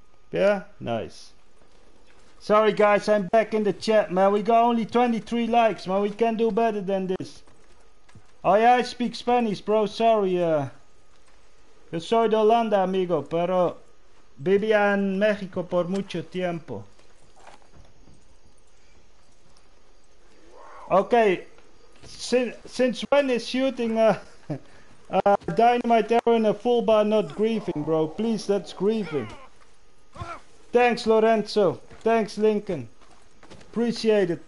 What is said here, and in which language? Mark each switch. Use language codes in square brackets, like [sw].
[en] Yeah, nice. Sorry guys, I'm back in the chat, man. We got only 23 likes, man. We can do better than this. Oh yeah, I speak Spanish, bro. Sorry. [es] Yo soy de Holanda, amigo, pero vivía en México por mucho tiempo. [en] Okay. Since when is shooting dynamite arrow in a full bar not grieving, bro? Please, that's grieving. Thanks, Lorenzo. Thanks, Lincoln. Appreciate it.